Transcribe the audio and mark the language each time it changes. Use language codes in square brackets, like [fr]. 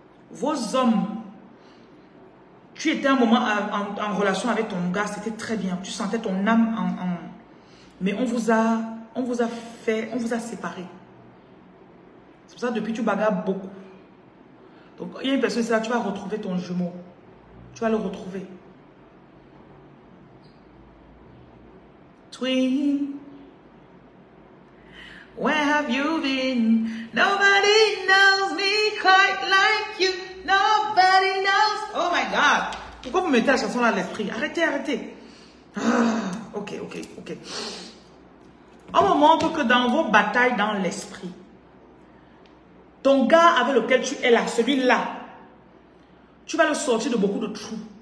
[fr] Vos hommes, tu étais un moment en relation avec ton gars, c'était très bien. Tu sentais ton âme en... Mais on vous a séparés. C'est pour ça que depuis, tu bagarres beaucoup. Donc, il y a une personne, c'est là, tu vas retrouver ton jumeau. Tu vas le retrouver. [en] Twin, where have you been? Nobody knows me quite like you. Nobody knows. Oh my God. [fr] Pourquoi vous mettez la chanson là à l'esprit? Arrêtez, arrêtez. Ah, ok, ok, ok. On me montre que dans vos batailles dans l'esprit, ton gars avec lequel tu es là, celui-là, tu vas le sortir de beaucoup de trous.